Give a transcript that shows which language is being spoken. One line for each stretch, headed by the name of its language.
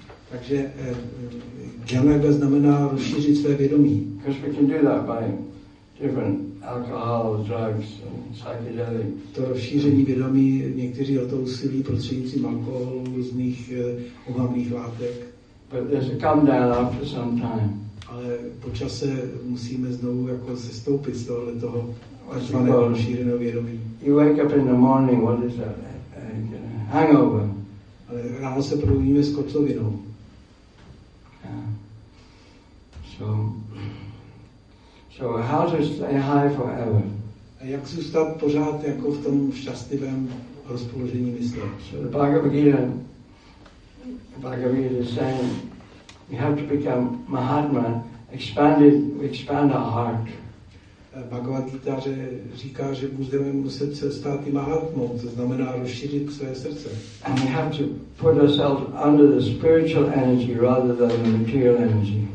Czech: Takže jnana znamená rozšířit své vědomí.
English: Because we can do that by different alcohol, drugs, psychedelics.
Czech: To rozšíření vědomí, někteří o to usilují prostřednictvím alkoholu, různých uhavných látek.
English: But there's a come down after some time.
Czech: Ale po čase musíme znovu jako sestoupit z tohohle toho takzvaného rozšířeného vědomí.
English: You wake up in the morning, what is that? Hangover.
Czech: Ale ráno se probudíme s kocovinou.
English: So how to stay high forever?
Czech: A jak zůstat pořád jako v tom šťastivém rozpoložení mysli?
English: So the Bhagavad Gita is saying we have to become Mahatma, expand our heart.
Czech: Bhagavad Gita říká, že budeme muset se stát i mahatmou, to znamená rozšířit své srdce.
English: And we have to put ourselves under the spiritual energy rather than the material energy.